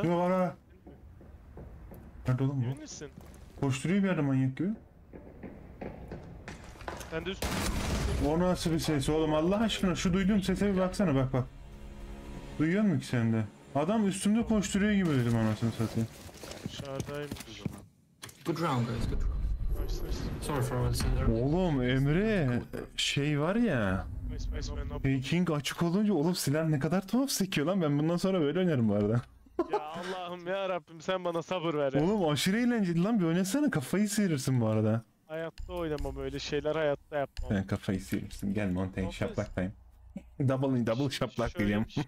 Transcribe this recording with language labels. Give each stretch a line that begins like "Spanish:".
Turkish: Yo, var. Nerede oğlum bu? Neresin? Koşturuyor bir adam manyak gibi. Sen de üstüne. O nasıl bir ses oğlum, Allah aşkına şu duyduğum sese bir baksana, bak bak. Duyuyor musun ki sen de? Adam üstümde koşturuyor gibi dedim anasını satayım. Dışarıdayım.
English: Good round guys, good round. Sorry for what I said earlier.
Turkish: Oğlum Emre, şey var ya. King açık olunca oğlum silah ne kadar tuhaf sekiyor lan, ben bundan sonra böyle oynarım bu arada. Ya Allah'ım ya Rabbim, sen bana sabır ver ya. Oğlum aşırı eğlenceli lan, bir oynasana, kafayı sıyırırsın bu arada. Hayatta oynamam öyle şeyler, hayatta yapmam. Sen kafayı sıyırırsın, gel mountain şaplak time. Double şaplak diyeceğim.